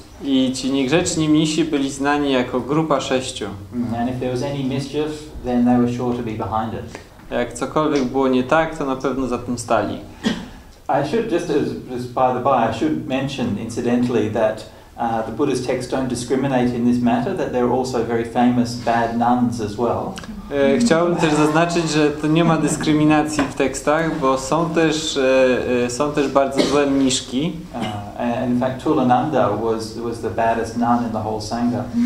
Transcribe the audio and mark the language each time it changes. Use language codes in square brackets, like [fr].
[pl] I ci niegrzeczni mnisi byli znani jako grupa sześciu. [en] And if there was any mischief, then they were sure to be behind it. [pl] Jak cokolwiek było nie tak, to na pewno za tym stali. [en] I should just by the by, I should mention incidentally that the Buddhist texts don't discriminate in this matter, that there are also very famous bad nuns as well. [pl] Chciałbym też zaznaczyć, że to nie ma dyskryminacji w tekstach, bo są też bardzo złe mniszki. [en] In fact, Tulananda was the baddest nun in the whole Sangha.